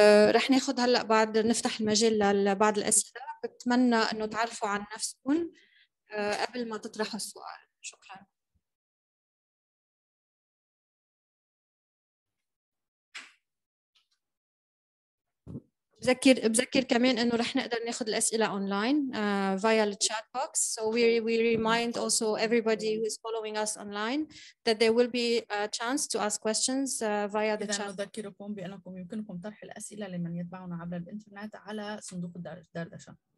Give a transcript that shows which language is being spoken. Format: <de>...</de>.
<ar>رح ناخذ هلأ بعد نفتح المجال لبعض الأسئلة. بتمنى أنه تعرفوا عن نفسكم قبل ما تطرحوا السؤال. شكرا. بذكر كمان انه رح نقدر ناخذ الاسئله اونلاين</ar> <en>via the chat box. So we remind also everybody who is following us online that there will be a chance to ask questions via the chat.</en> <ar>نذكركم بانكم يمكنكم طرح الاسئله لمن يتبعنا عبر الانترنت على صندوق الدردشه.</ar>